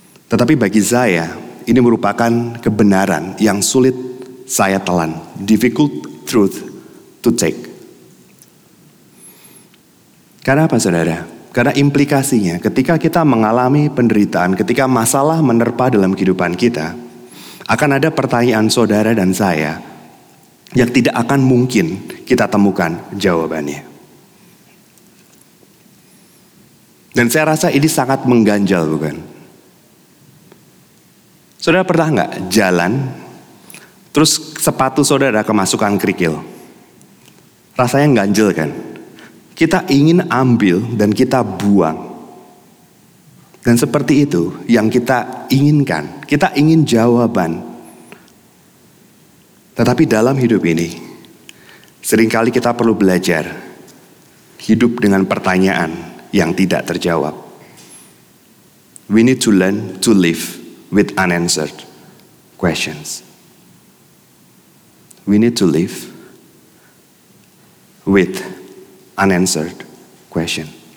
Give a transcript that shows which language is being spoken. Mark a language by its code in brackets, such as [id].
[id] Tetapi bagi saya, ini merupakan kebenaran yang sulit saya telan. [en] Difficult truth to take. [id] Karena apa saudara? Karena implikasinya ketika kita mengalami penderitaan, ketika masalah menerpa dalam kehidupan kita, akan ada pertanyaan saudara dan saya yang tidak akan mungkin kita temukan jawabannya. Dan saya rasa ini sangat mengganjal, bukan? Saudara pernah gak jalan, terus sepatu saudara kemasukan kerikil? Rasanya ganjel kan? Kita ingin ambil dan kita buang. Dan seperti itu yang kita inginkan. Kita ingin jawaban. Tetapi dalam hidup ini, seringkali kita perlu belajar hidup dengan pertanyaan yang tidak terjawab. [en] We need to learn to live with unanswered questions. We need to live with unanswered question.